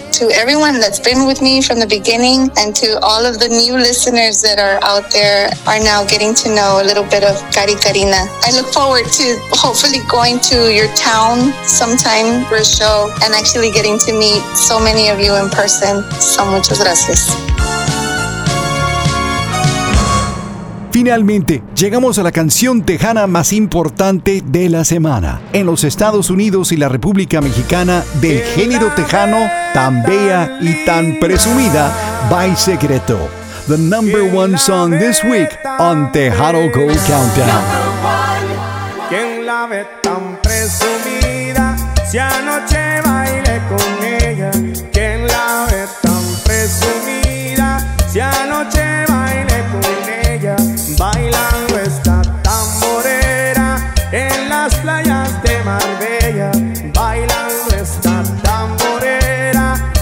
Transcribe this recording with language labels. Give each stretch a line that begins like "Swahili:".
English: To everyone that's been with me from the beginning and to all of the new listeners that are out there are now getting to know a little bit of Cari Karina. I look forward to hopefully going to your town sometime for a show and actually getting to meet so many of you in person.
Spanish: So muchas gracias. Finalmente, llegamos a la canción tejana más importante de la semana. En los Estados Unidos y la República Mexicana, del género tejano, tan bella y tan presumida, By Secreto.
English: The number one song this week on Tejano Gold Countdown.
Spanish: ¿Quién la ve tan presumida? Si anoche bailé con ella, ¿quién la ve tan presumida? Si anoche bailé con ella, bailando está tan morena. En las playas de Marbella, bailando está tan morena.